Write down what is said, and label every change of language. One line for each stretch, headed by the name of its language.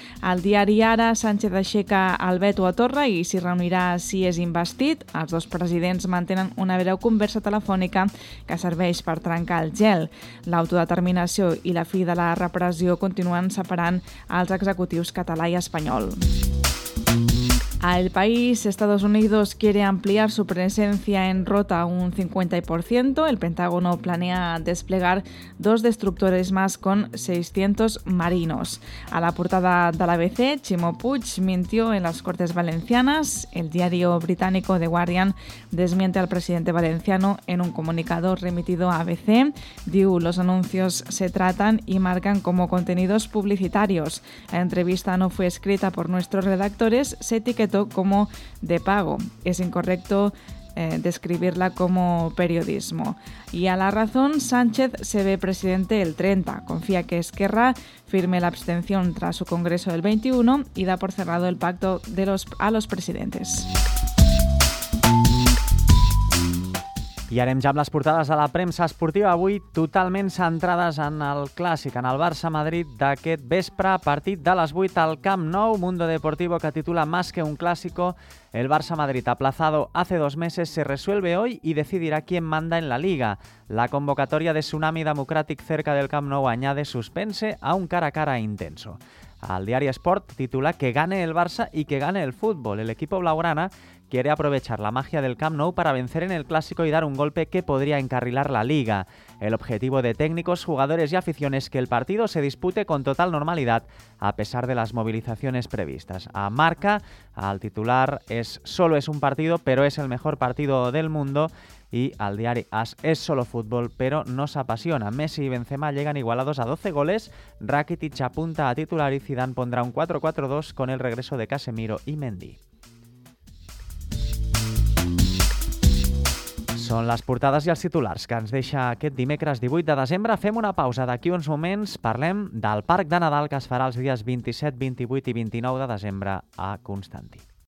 Catalan: Al diari Ara, Sánchez aixeca el veto a Torra i s'hi reunirà si és investit. Els dos presidents mantenen una breu conversa telefònica que serveix per trencar el gel. L'autodeterminació i la fi de la repressió continuen separant els executius català i espanyol.
Spanish: A El País, Estados Unidos quiere ampliar su presencia en Rota un 50%. El Pentágono planea desplegar 2 destructores más con 600 marinos. A la portada de la ABC, Ximo Puig mintió en las Cortes Valencianas. El diario británico The Guardian desmiente al presidente valenciano en un comunicado remitido a ABC. Diu, los anuncios se tratan y marcan como contenidos publicitarios. La entrevista no fue escrita por nuestros redactores, se etiquetó como de pago. Es incorrecto describirla como periodismo. Y a la razón, Sánchez se ve presidente el 30. Confía que Esquerra firme la abstención tras su congreso del 21 y da por cerrado el pacto a los presidentes.
Catalan: I anem ja amb les portades de la premsa esportiva avui, totalment centrades en el clàssic, en el Barça-Madrid d'aquest vespre, partit de les 8 al Camp Nou.
Spanish: Mundo Deportivo, que titula Más que un clásico, el Barça-Madrid aplazado hace 2 meses se resuelve hoy y decidirá quién manda en la Liga. La convocatoria de Tsunami Democràtic cerca del Camp Nou añade suspense a un cara a cara intenso.
Catalan: El diari Sport titula
Spanish: Que gane el Barça y que gane el fútbol. El equipo blaugrana quiere aprovechar la magia del Camp Nou para vencer en el Clásico y dar un golpe que podría encarrilar la Liga. El objetivo de técnicos, jugadores y aficiones es que el partido se dispute con total normalidad a pesar de las movilizaciones previstas. A Marca, al titular, es solo es un partido, pero es el mejor partido del mundo. Y al diario AS, es solo fútbol, pero nos apasiona. Messi y Benzema llegan igualados a 12 goles. Rakitic apunta a titular y Zidane pondrá un 4-4-2 con el regreso de Casemiro y Mendy.
Catalan: Són les portades i els titulars que ens deixa aquest dimecres 18 de desembre. Fem una pausa d'aquí uns moments. Parlem del Parc de Nadal que es farà els dies 27, 28 i 29 de desembre a Constantí.